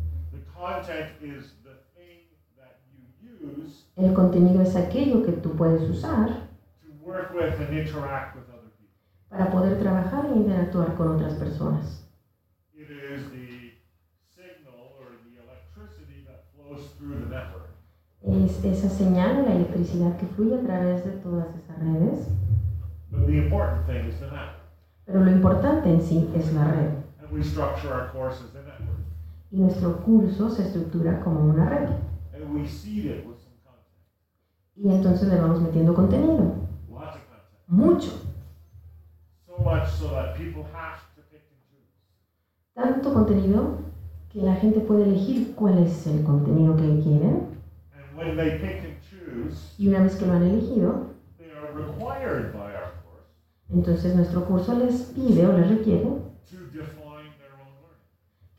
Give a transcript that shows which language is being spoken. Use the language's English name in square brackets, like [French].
[English] The content is the thing that you use. [Spanish] El contenido es aquello que tú puedes usar. [English] Work with and interact with other people. [Spanish] Para poder trabajar e interactuar con otras personas. [English] It is the signal or the electricity that flows through the network. [Spanish] Es esa señal, la electricidad que fluye a través de todas esas redes. [English] But the important thing is the network. [Spanish] Pero lo importante en sí es la red. [English] And we structure our course as a network. [Spanish] Y nuestro curso se estructura como una red. [English] And we seed it with some content. [Spanish] Y entonces le vamos metiendo contenido. Mucho. [English] So much so that people have to pick and choose. [Spanish] Tanto contenido que la gente puede elegir cuál es el contenido que quieren. [English] And when they pick and choose, [Spanish] y una vez que lo han elegido, [English] they are required by our course. [Spanish] Entonces nuestro curso les pide o les requiere [English] to define their own learning.